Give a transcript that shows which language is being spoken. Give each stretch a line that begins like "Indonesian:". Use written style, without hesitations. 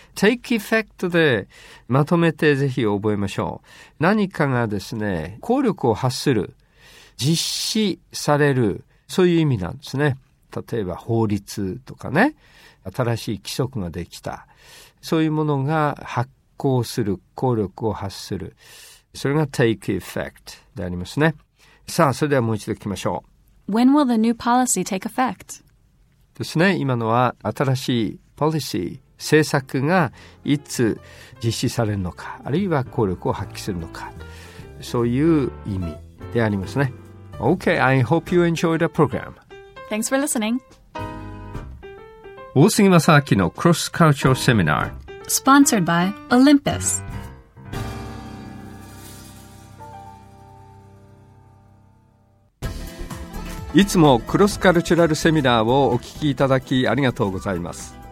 Japanese: Take effect でまとめてぜひ覚えましょう。何かがですね、効力を発する、実施される、そういう意味なんですね。例えば法律とかね、新しい規則ができた、そういうものが発行する、効力を発する。それが take effect でありますね。さあ、それではもう一度聞きましょう。
English: When will the new policy take effect?
Japanese: ですね、今のは新しい policy、政策がいつ実施されるのか、あるいは効力を発揮するのか、そういう意味でありますね。
English: Okay, I hope you enjoyed the program. Thanks for listening.
Japanese: 大杉正明のクロスカルチャーセミナー。
English: Sponsored by Olympus.
Japanese: いつもクロスカルチャルセミナーをお聞きいただきありがとうございます。